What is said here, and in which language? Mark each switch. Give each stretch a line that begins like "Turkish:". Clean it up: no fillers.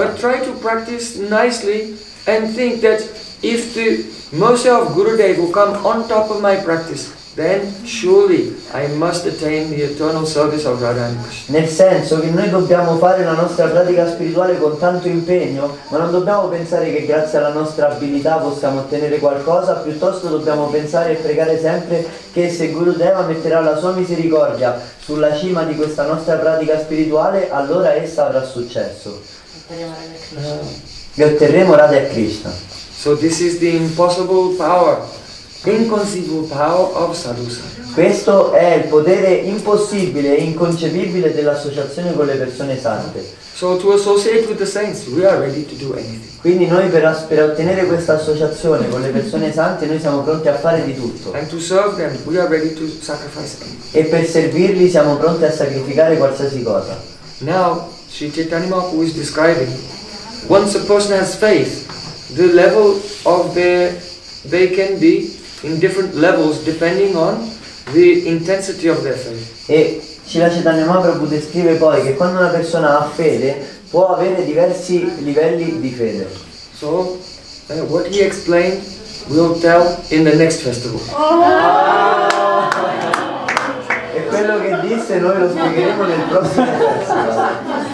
English: But try to practice nicely and think that if the mercy of Gurudev will come on top of my practice, then surely I must attain the eternal service of Radha and Krishna.
Italian: Nel senso che noi dobbiamo fare la nostra pratica spirituale con tanto impegno, ma non dobbiamo pensare che grazie alla nostra abilità possiamo ottenere qualcosa, piuttosto dobbiamo pensare e pregare sempre che se Gurudeva metterà la sua misericordia sulla cima di questa nostra pratica spirituale, allora essa avrà successo. E otterremo Radha e Krishna.
English: So this is the impossible power, inconceivable power of sadhusa.
Italian: Questo è il potere impossibile e inconcepibile dell'associazione con le persone sante.
English: So to associate with the saints, we are ready to do anything.
Italian: Quindi noi per ottenere questa associazione con le persone sante, noi siamo pronti a fare di tutto.
English: And to serve them, we are ready to sacrifice anything.
Italian: E per servirli siamo pronti a sacrificare qualsiasi cosa.
English: Now, Sri Chaitanya who is describing, once a person has faith, the level of their they can be in different levels depending on the intensity of their faith.
Italian: E Srila Chaitanya Mahaprabhu descrive poi che quando una persona ha fede può avere diversi livelli di fede.
English: So what he explained we'll tell in the next festival.
Italian: E quello che disse noi lo spiegheremo nel prossimo festival.